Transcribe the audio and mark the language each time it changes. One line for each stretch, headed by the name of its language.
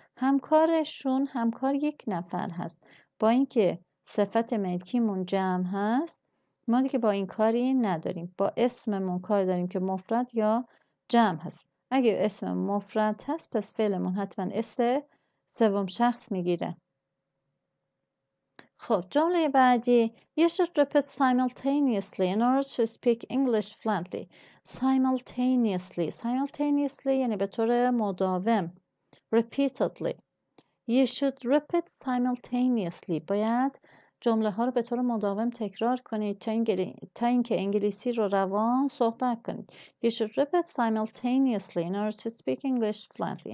Persian: همکارشون همکار یک نفر هست. با اینکه صفت ملکیمون جمع هست، ما دیگه با این کاری نداریم. با اسممون کار داریم که مفرد یا جمع هست. اگه اسم مفرد هست پس فعلمون حتما اسه سوم شخص میگیره. خب جمله بعدی
English: you should repeat simultaneously in order to speak English fluently. Simultaneously. Simultaneously
Persian: یعنی به طور مداوم.
English: Repeatedly. You should repeat simultaneously.
Persian: باید جمله ها رو به طور مداوم تکرار کنید تا اینکه انگلیسی رو روان صحبت کنید.
English: You should repeat simultaneously in order to speak English fluently.